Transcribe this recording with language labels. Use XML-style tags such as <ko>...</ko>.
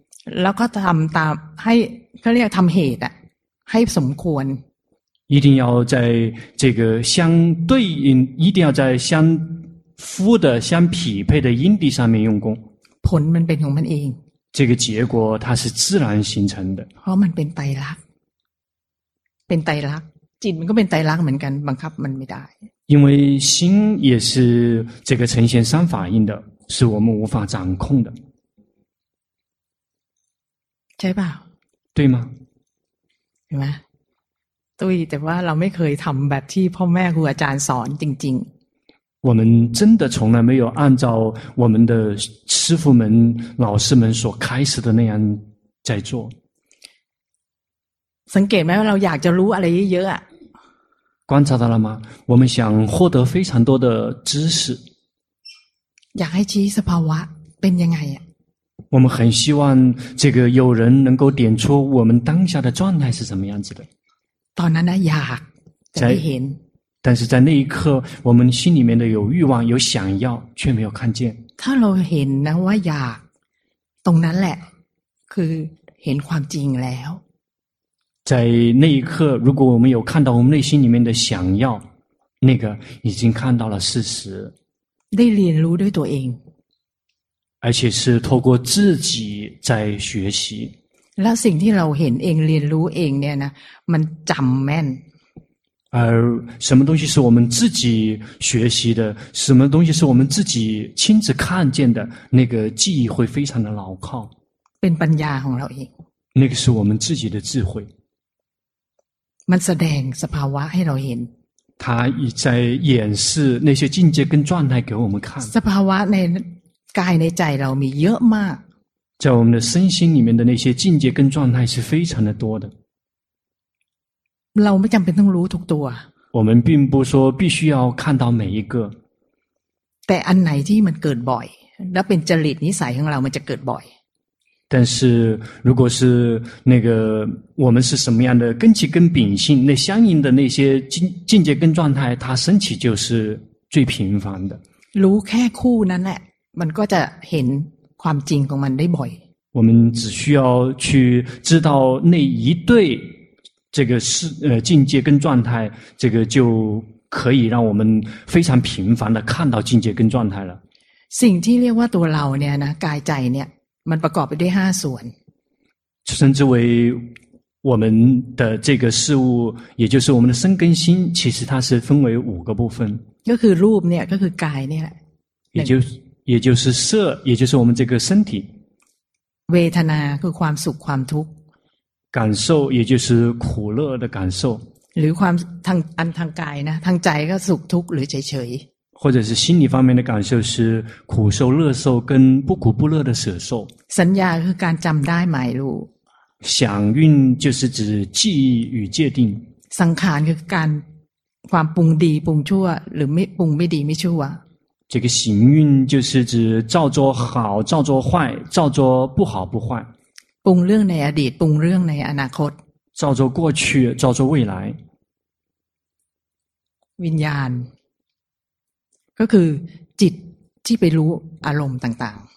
<th>แล้วก็ทำตามให้เขาเรียกทำเหตุอะให้สมควร。</th> <zh>一定要在这个相对应，一定要在相符的、相匹配的因地上面用功。</zh> <th>ผลมันเป็นของมันเอง。</th> <zh>这个结果它是自然形成的。</zh> <th>เพราะมันเป็นไตรลักษณ์เป็นไตรลักษณ์จิตมันก็เป็นไตรลักษณ์เหมือนกันบังคับมันไม่ได้。</th> <zh>因为心也是这个呈现三法印的，是我们无法掌控的。</zh> <th>ใช่ป่าว？</th> <zh>对吗？</zh> <th>เห็นไหม？</th> <zh>对，</zh> <th>แต่ว่าเราไม่เคยทำแบบที่พ่อแม่ครูอาจารย์สอนจริง ๆ。</th> <zh>我们真的从来没有按照我们的师父们、老师们所开始的那样在做。</zh> <th>สังเกตไหมว่าเราอยากจะรู้อะไรเยอะอ่ะ？</th> <zh>观察到了吗？我们想获得非常多的知识。</zh> <th>อยากให้ชี้สภาวะเป็นยังไงอ่ะ？</th> <zh>我们很希望这个有人能够点出我们当下的状态是什么样子的。</zh> <th>ตอนนั้นนะอยากจะได้เห็น</th> <zh>但是在那一刻我们心里面的有欲望有想要却没有看见</zh> <th>ถ้าเราเห็นนะว่าอยากตรงนั้นแหละคือเห็นความจริงแล้ว</th> <zh>在那一刻如果我们有看到我们内心里面的想要那个已经看到了事实</zh> <th>ได้เรียนรู้ด้วยตัวเอง</th> <zh>而且是透过自己在学习</zh> <th>แล้วสิ่งที่เราเห็นเองเรียนรู้เองเนี่ยนะมันจำแม่น</th> <zh>什么东西是我们自己学习的什么东西是我们自己亲自看见的那个记忆会非常的牢靠</zh> <th>เป็นปัญญาของเราเอง</th> <zh>那个是我们自己的智慧</zh> <th>มันแสดงสภาวะให้เราเห็น</th> <zh>它在演示那些境界跟状态给我们看</zh> <th>สภาวะในกายในใจเรามีเยอะมาก จะว่าในสิ่งที่</th> <zh>里面的那些境界跟状态是非常的多的</zh> <th>เราไม่จำเป็นต้องรู้ทุกตัว</th> <zh>我们并不说必须要看到每一个</zh> <th>แต่อันไหนที่มันเกิดบ่อยแล้วเป็นจริตนิสัยของเรามันจะเกิดบ่อย</th> <zh>但是如果是那个我们是什么样的根基跟秉性那相应的那些境界跟状态它升起就是最频繁的</zh> <th>รู้แค่คู่นั้นแหละมันก็จะเห็นความจริงของมันได้บ่อย</th> <zh>我们只需要去知道那一对这个是境界跟状态这个就可以让我们非常频繁的看到境界跟状态了</zh> <th>สิ่งที่เรียกว่าตัวเราเนี่ยนะกายใจเนี่ยมันประกอบไปด้วย5ส่วน</th> <zh>称之为我们的这个事物也就是我们的身根心其实它是分为5个部分</zh> <th>ก็คือรูปเนี่ยก็คือกายเนี่ยแหละ</th> <zh>也就是色也就是我们这个身体</zh> <th>เวทนาคือความสุขความทุกข์</th> <zh>感受也就是苦乐的感受</zh> <th>หรือความทางอันทางกายนะทางใจก็สุขทุกข์หรือเฉย</th> <zh>ๆ或者是心理方面的感受是苦受乐受跟不苦不乐的舍受</zh> <th>สัญญาคือการจำได้หมายรู้</th> <zh>想蕴就是指记忆与界定</zh> <th>สังขารคือการความปรุงดีปรุงชั่วหรือไม่ปรุงไม่ดีไม่ชั่ว</th> <zh>这个行运就是指照做好照做坏照做不好不坏</zh> <th>ปรุงเรื่องในอดีตปรุงเรื่องในอนาคต</th> <zh>照做过去照做未来</zh> <th>วิญญาณก็คือจิตที่ไปรู้อารมณ์ต่าง</th>